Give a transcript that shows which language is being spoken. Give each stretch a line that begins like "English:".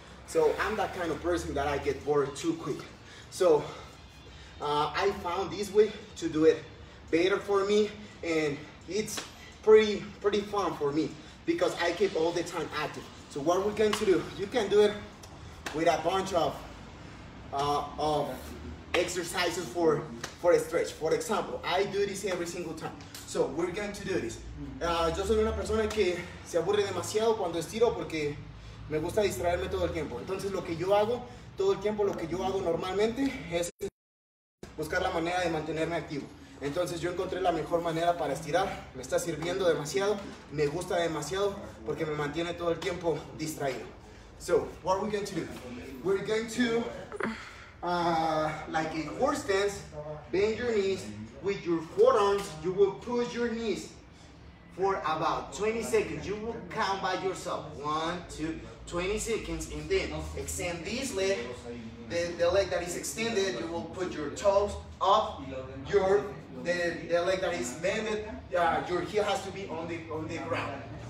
English: So I'm that kind of person that I get bored too quick. So I found this way to do it better for me, and it's pretty fun for me because I keep all the time active. So what we're going to do, you can do it with a bunch of exercises for a stretch. For example, I do this every single time. So we're going to do this.
Spanish: Yo soy una persona que se aburre demasiado cuando estiro porque me gusta distraerme todo el tiempo. Entonces lo que yo hago todo el tiempo, lo que yo hago normalmente es buscar la manera de mantenerme activo. Entonces yo encontré la mejor manera para estirar, me está sirviendo demasiado, me gusta demasiado porque me mantiene todo el tiempo distraído.
English: So, what are we going to do? We're going to, like a horse stance, bend your knees with your forearms, you will push your knees for about 20 seconds. You will count by yourself, 1, 2, 20 seconds, and then extend this leg, the leg that is extended, you will put your toes up your the leg that is bended, your heel has to be on the ground.